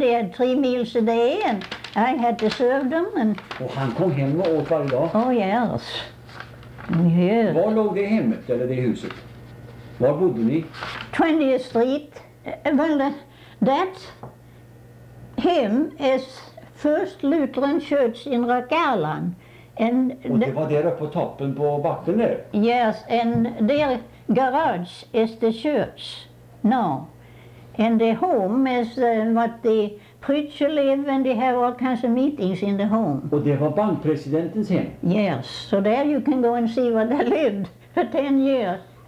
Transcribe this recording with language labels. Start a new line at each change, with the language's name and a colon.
English: They had 3 meals a day and I had to serve them. And...
Swedish: Och han kom hem och åt varje dag?
English: Oh yes. Yes.
Swedish: Var låg det hemmet eller det huset? Var bodde ni?
English: 20th Street. Well, that him is First Lutheran Church in Rock Island.
Swedish: And och det var där uppe på toppen på backen där?
English: Yes, and their garage is the church now. And the home is what the preacher live and they have all kinds of meetings in the home.
Swedish: Och det var bankpresidentens hem?
English: Yes, so there you can go and see where they lived for 10 years.